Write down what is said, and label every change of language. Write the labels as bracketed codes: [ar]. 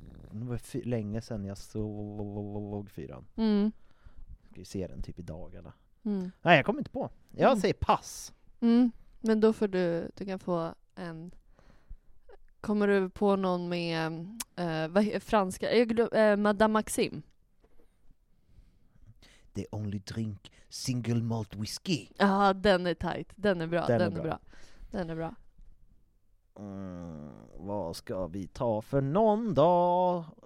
[sv] Det var länge sedan jag såg fyran. Mm. Ska ju se den typ i dagarna. Mm. Nej, jag kommer inte på. Jag säger pass. Mm, men då får du kan få en, kommer du på någon med vad är franska? Madame Maxime. [en] They only drink single malt whiskey. [sv] Ja, ah, den är tight. Den är bra. Den är bra. Mm, vad ska vi ta för någon dag?